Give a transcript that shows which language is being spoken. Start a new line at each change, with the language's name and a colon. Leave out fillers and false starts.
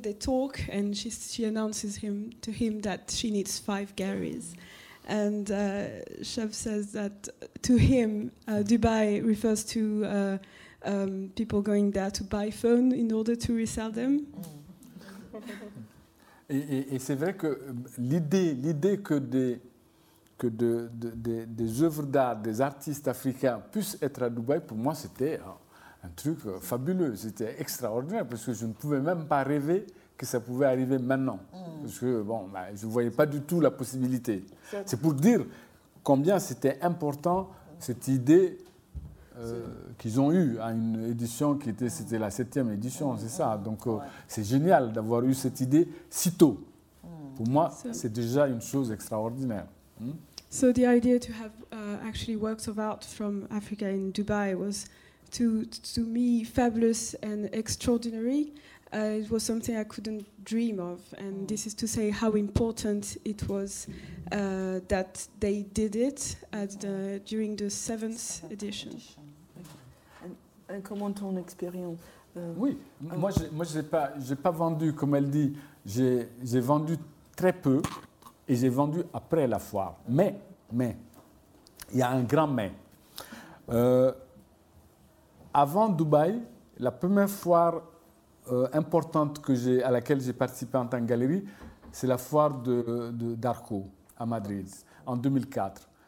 English: They talk, and she announces to him that she needs 5 galleries. And Shab says that to him, Dubai refers to people going there to buy phones in order to resell them.
French: et c'est vrai que l'idée que des œuvres d'art des artistes africains puissent être à Dubaï, pour moi c'était un truc fabuleux, c'était extraordinaire parce que je ne pouvais même pas rêver que ça pouvait arriver maintenant parce que je ne voyais pas du tout la possibilité. C'est pour dire combien c'était important cette idée. Qu'ils ont eu à une édition qui était, c'était la 7e édition, c'est ça. Donc c'est génial d'avoir eu cette idée si tôt. Pour moi, c'est déjà une chose extraordinaire.
English: So the idea to have actually works of art from Africa in Dubai was to me fabulous and extraordinary. It was something I couldn't dream of, and this is to say how important it was that they did it at during the 7th edition.
French: Et comment ton expérience? Moi, j'ai pas vendu, comme elle dit, j'ai vendu très peu et j'ai vendu après la foire. Mais, il y a un grand mais. Avant Dubaï, la première foire importante à laquelle j'ai participé en tant que galerie, c'est la foire de d'Arco à Madrid en 2004.